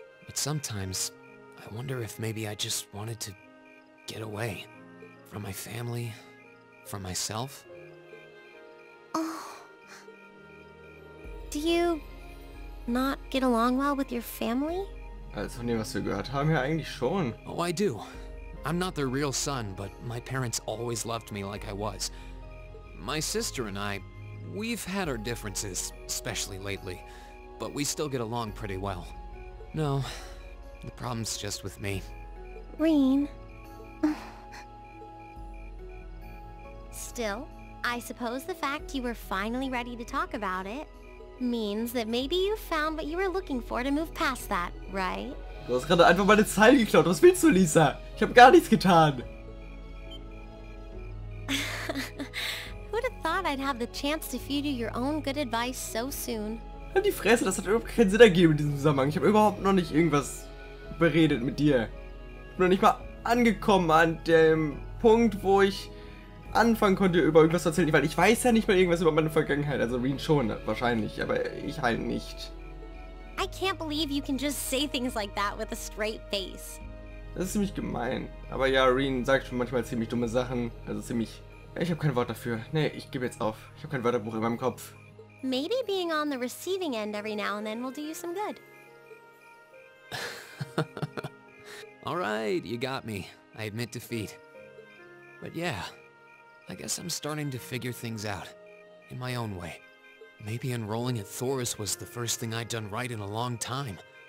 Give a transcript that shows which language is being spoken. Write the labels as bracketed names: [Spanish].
[English] But sometimes, I wonder if maybe I just wanted to get away. From my family, from myself. Oh. Do you not get along well with your family? [German] Also, von dem, was wir gehört haben, ja eigentlich schon. [English] Oh, I do. I'm not their real son, but my parents always loved me like I was. My sister and I, we've had our differences, especially lately, but we still get along pretty well. No, the problem's just with me. Rain. Still, I suppose the fact you were finally ready to talk about it means that maybe you found what you were looking for to move past that, right? [German] Du hast gerade einfach meine Zeile geklaut. Was willst du, Lisa? Ich habe gar nichts getan. [English] Who'd have thought I'd have the chance to feed you your own good advice so soon? [German] Halt die Fresse, das hat überhaupt keinen Sinn ergeben in diesem Zusammenhang. Ich habe überhaupt noch nicht irgendwas beredet mit dir. Ich bin noch nicht mal angekommen an dem Punkt, wo ich anfangen konnte, über irgendwas zu erzählen, weil ich weiß ja nicht mal irgendwas über meine Vergangenheit, also Rin schon, wahrscheinlich, aber ich halt nicht. [English] I can't believe you can just say things like that with a straight face. [German] Das ist ziemlich gemein, aber ja, Rin sagt schon manchmal ziemlich dumme Sachen, also ziemlich... Ich habe kein Wort dafür, nee, ich gebe jetzt auf, ich habe kein Wörterbuch in meinem Kopf. [English] Maybe being on the receiving end every now and then will do you some good. All right, you got me. I admit defeat. But yeah, I guess I'm starting to figure things out in my own way. Maybe enrolling at Thoris was the first thing I'd done right in a long time.